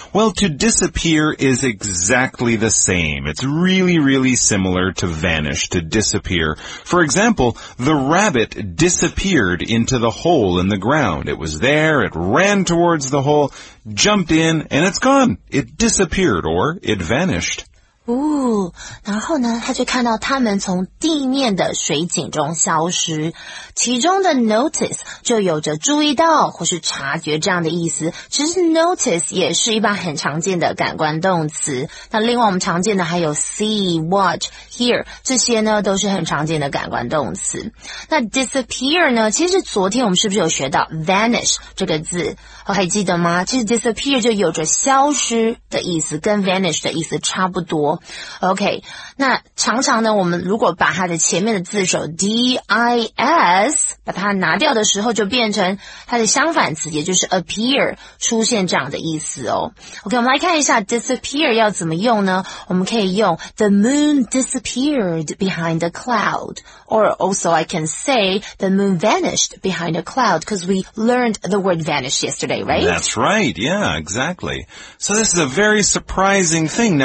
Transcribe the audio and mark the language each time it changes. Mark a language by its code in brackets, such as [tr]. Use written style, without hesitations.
[en] Well, to disappear is exactly the same. It's really, really similar to vanish, to disappear. For example, the rabbit disappeared into the hole in the ground. It was there, it ran towards the hole, jumped in, and it's gone. It disappeared, or it vanished. [zh] 哦，然后呢，他就看到他们从地面的水井中消失，其中的 notice 就有着注意到或是察觉这样的意思。其实 notice 也是一般很常见的感官动词。那另外我们常见的还有 see, watch, hear， 这些呢都是很常见的感官动词。那 disappear 呢，其实昨天我们是不是有学到 vanish 这个字？还记得吗？其实 disappear 就有着消失的意思，跟 vanish 的意思差不多。OK，那常常呢，我们如果把它的前面的字首 D-I-S 把它拿掉的时候，就变成它的相反词，也就是 appear 出现这样的意思哦。 OK， 我们来看一下 disappear 要怎么用呢？我们可以用 [en] The moon disappeared behind a cloud， or also I can say the moon vanished behind a cloud， because we learned the word vanish yesterday, right? That's right. Yeah, exactly. So this is a very surprising thing.